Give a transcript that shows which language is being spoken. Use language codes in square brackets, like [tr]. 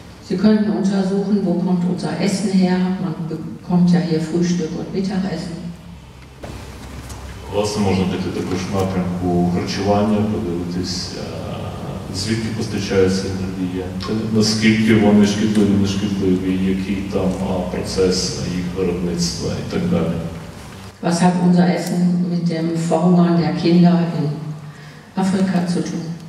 [de] Sie könnten untersuchen, wo kommt unser Essen her, man bekommt ja hier Frühstück und Mittagessen. [uk] Власне, можна піти також в напрямку харчування, подивитися, звідки постачається енергія, наскільки вони шкідливі, не шкідливі, який там процес їх виробництва і так далі. [de] Was hat unser Essen mit dem Verhungern der Kinder in Afrika zu tun?